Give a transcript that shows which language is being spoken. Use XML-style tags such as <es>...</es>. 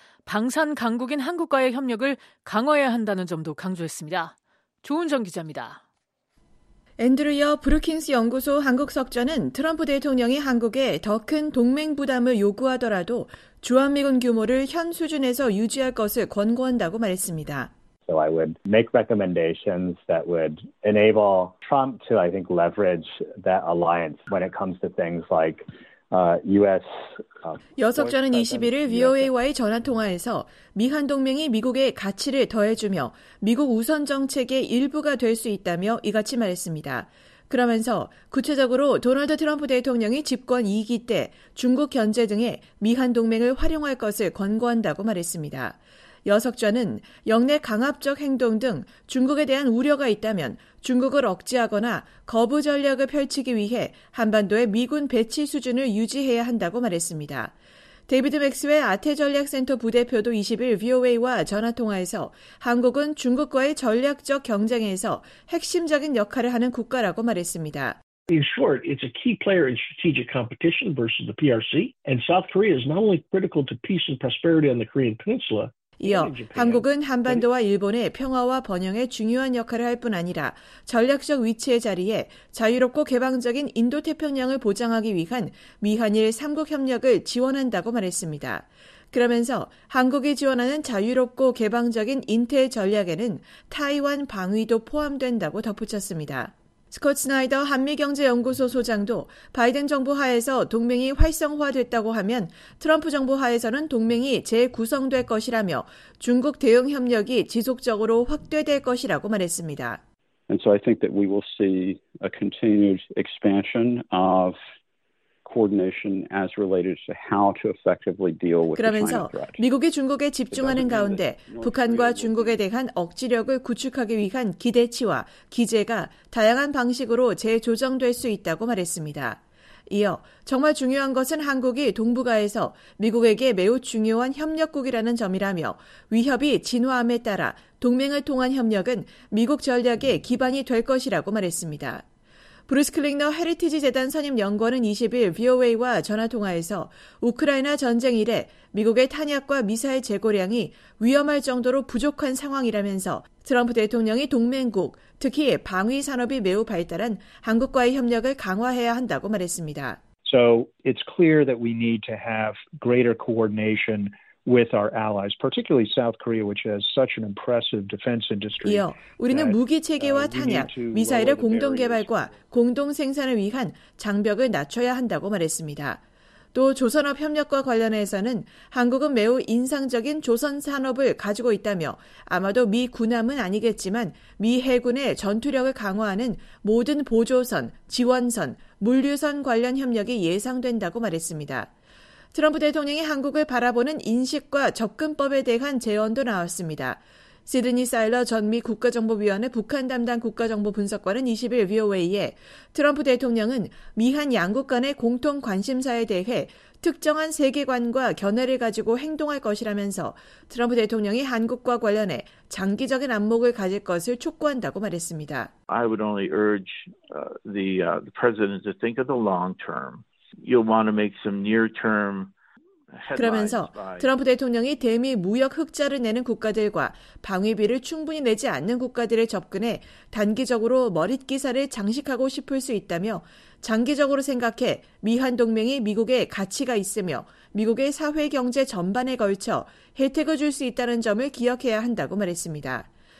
<ko>방산 강국인 한국과의 협력을 강화해야 한다는 점도 강조했습니다. 조은정 기자입니다. 앤드루여 브루킹스 연구소 한국 석좌는 트럼프 대통령이 한국에 더 큰 동맹 부담을 요구하더라도 주한미군 규모를 현 수준에서 유지할 것을 권고한다고 말했습니다.</ko> <en>So I would make recommendations that would enable Trump to, I think, leverage that alliance when it comes to things like U.S.</en> <ko>여석자는 21일 VOA와의 전화통화에서 미한동맹이 미국의 가치를 더해주며 미국 우선 정책의 일부가 될 수 있다며 이같이 말했습니다. 그러면서 구체적으로 도널드 트럼프 대통령이 집권 2기 때 중국 견제 등에 미한동맹을 활용할 것을 권고한다고 말했습니다. 여석좌는 영내 강압적 행동 등 중국에 대한 우려가 있다면 중국을 억제하거나 거부 전략을 펼치기 위해 한반도의 미군 배치 수준을 유지해야 한다고 말했습니다. 데이비드 맥스웨 아태전략센터 부대표도 20일 VOA와 전화통화에서 한국은 중국과의 전략적 경쟁에서 핵심적인 역할을 하는 국가라고 말했습니다.</ko> <en>In short, it's a key player in strategic competition versus the PRC. And South Korea is not only critical to peace and prosperity on the Korean Peninsula.</en> <ko>이어 한국은 한반도와 일본의 평화와 번영에 중요한 역할을 할 뿐 아니라 전략적 위치의 자리에 자유롭고 개방적인 인도태평양을 보장하기 위한 미한일 3국 협력을 지원한다고 말했습니다. 그러면서 한국이 지원하는 자유롭고 개방적인 인태 전략에는 타이완 방위도 포함된다고 덧붙였습니다. 스콧 스나이더 한미경제연구소 소장도 바이든 정부 하에서 동맹이 활성화됐다고 하면 트럼프 정부 하에서는 동맹이 재구성될 것이라며 중국 대응 협력이 지속적으로 확대될 것이라고 말했습니다.</ko> <en>And so I think that we will see a continued expansion of coordination as related to how to effectively deal with.</en> <ko>그러면서 미국이 중국에 집중하는 가운데 북한과 중국에 대한 억지력을 구축하기 위한 기대치와 기재가 다양한 방식으로 재조정될 수 있다고 말했습니다. 이어 정말 중요한 것은 한국이 동북아에서 미국에게 매우 중요한 협력국이라는 점이라며 위협이 진화함에 따라 동맹을 통한 협력은 미국 전략의 기반이 될 것이라고 말했습니다. 브루스 클링너 헤리티지 재단 선임 연구원은 20일 VOA와 전화통화에서 우크라이나 전쟁 이래 미국의 탄약과 미사일 재고량이 위험할 정도로 부족한 상황이라면서 트럼프 대통령이 동맹국, 특히 방위 산업이 매우 발달한 한국과의 협력을 강화해야 한다고 말했습니다.</ko> <en>So it's clear that we need to have greater coordination with our allies, particularly South Korea, which has such an impressive defense industry.</en> <ko>이어 우리는 무기 체계와 탄약, 미사일의 공동 개발과 공동 생산을 위한 장벽을 낮춰야 한다고 말했습니다. 또 조선업 협력과 관련해서는 한국은 매우 인상적인 조선 산업을 가지고 있다며 아마도 미 군함은 아니겠지만 미 해군의 전투력을 강화하는 모든 보조선, 지원선, 물류선 관련 협력이 예상된다고 말했습니다. 트럼프 대통령이 한국을 바라보는 인식과 접근법에 대한 제언도 나왔습니다. 시드니 사일러 전미 국가정보위원회 북한 담당 국가정보분석관은 20일 VOA에 트럼프 대통령은 미한 양국 간의 공통 관심사에 대해 특정한 세계관과 견해를 가지고 행동할 것이라면서 트럼프 대통령이 한국과 관련해 장기적인 안목을 가질 것을 촉구한다고 말했습니다.</ko> <en>I would only urge the president to think of the long term. You'll want to make some near-term headlines.</en> <ko>그러면서 트럼프 대통령이 대미 무역 흑자를 내는 국가들과 방위비를 충분히 내지 않는 국가들의 접근에 단기적으로 머릿기사를 장식하고 싶을 수 있다며 장기적으로 생각해 미한 동맹이 미국의 가치가 있으며 미국의 사회 경제 전반에 걸쳐 혜택을 줄 수 있다는 점을 기억해야 한다고 말했습니다.</ko>